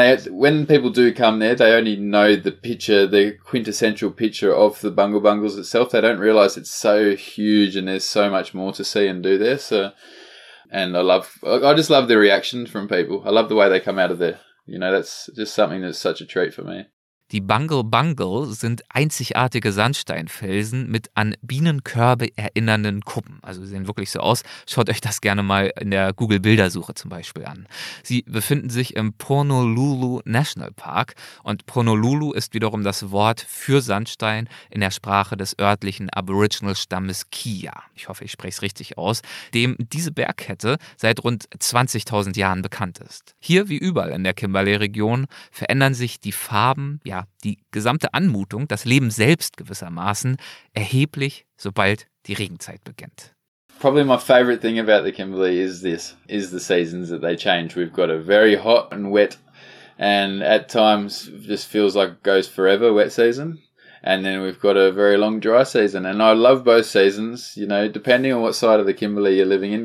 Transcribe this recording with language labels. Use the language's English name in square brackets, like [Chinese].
[English] When people do come there, they only know the picture, the quintessential picture of the Bungle Bungles itself. They don't realize it's so huge and there's so much more to see and do there. So, and I just love the reaction from people. I love the way they come out of there. You know, that's just something that's such a treat for me. [German] Die Bungle Bungle sind einzigartige Sandsteinfelsen mit an Bienenkörbe erinnernden Kuppen. Also sie sehen wirklich so aus. Schaut euch das gerne mal in der Google-Bildersuche zum Beispiel an. Sie befinden sich im Pornolulu National Park. Und Pornolulu ist wiederum das Wort für Sandstein in der Sprache des örtlichen Aboriginal-Stammes Kia. Ich hoffe, ich spreche es richtig aus. Dem diese Bergkette seit rund 20.000 Jahren bekannt ist. Hier, wie überall in der Kimberley-Region, verändern sich die Farben, ja, die gesamte Anmutung, das Leben selbst gewissermaßen, erheblich, sobald die Regenzeit beginnt. [English] Probably my favorite thing about the Kimberley is the seasons that they change. We've got a very hot and wet, and at times just feels like it goes forever, wet season. And then we've got a very long dry season. And I love both seasons, you know, depending on what side of the Kimberley you're living in.